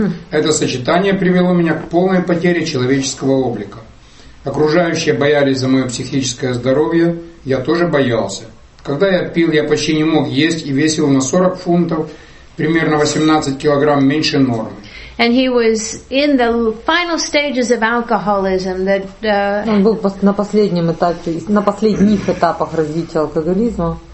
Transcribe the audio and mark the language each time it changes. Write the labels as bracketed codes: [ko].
[ru] Это сочетание привело меня к полной потере человеческого облика. Окружающие боялись за мое психическое здоровье, я тоже боялся. Когда я пил, я почти не мог есть и весил на 40 фунтов, примерно 18 килограмм меньше нормы. [en] And he was in the final stages of alcoholism. That [ru] он был на последнем этапе, на последних этапах развития алкоголизма.